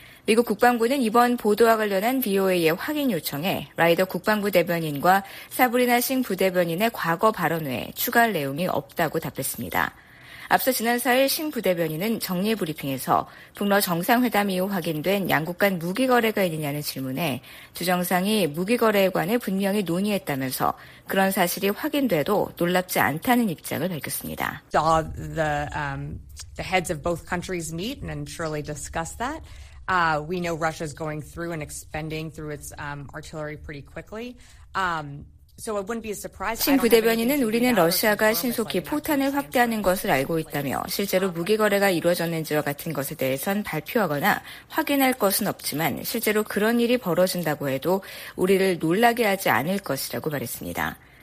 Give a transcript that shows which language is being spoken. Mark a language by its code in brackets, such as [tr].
[ko] 미국 국방부는 이번 보도와 관련한 BOA의 확인 요청에 라이더 국방부 대변인과 사브리나 싱 부대변인의 과거 발언 외에 추가할 내용이 없다고 답했습니다. 앞서 지난 4일 싱 부대변인은 정례 브리핑에서 북러 정상회담 이후 확인된 양국 간 무기 거래가 있느냐는 질문에 두 정상이 무기 거래에 관해 분명히 논의했다면서 그런 사실이 확인돼도 놀랍지 않다는 입장을 밝혔습니다. [en] The heads of both countries meet and surely discuss that. We know Russia is going through and expending through its artillery pretty quickly. So it wouldn't be a surprise. [ko] 신 부대변인은 우리는 러시아가 신속히 포탄을 확대하는 것을 알고 있다며 실제로 무기 거래가 이루어졌는지와 같은 것에 대해선 발표하거나 확인할 것은 없지만 실제로 그런 일이 벌어진다고 해도 우리를 놀라게 하지 않을 것이라고 말했습니다.